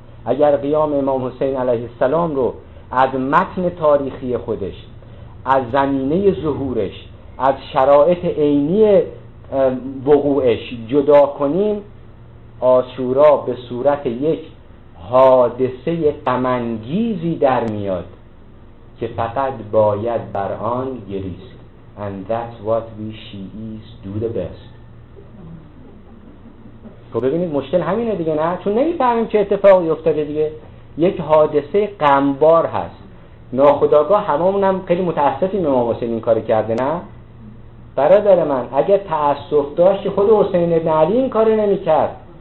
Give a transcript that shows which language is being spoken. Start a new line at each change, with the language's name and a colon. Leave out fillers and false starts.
Persian: اگر قیام امام حسین علیه السلام رو از متن تاریخی خودش، از زمینه ظهورش، از شرایط عینی وقوعش جدا کنیم، عاشورا به صورت یک حادثه غم‌انگیزی در میاد که فقط باید بر آن گریست.
English: And that's what we Shiis do the best.
Persian: خب ببینید مشکل همینه دیگه، نه؟ چون نمی‌فهمیم چه اتفاقی افتاده دیگه. یک حادثه غمبار هست. ناخودآگاه هممون هم خیلی متأسفیم امام حسین این کارو کرده، نه؟ برادر من، اگه تأسف داشت خود حسین ابن علی این کارو نمی‌کرد.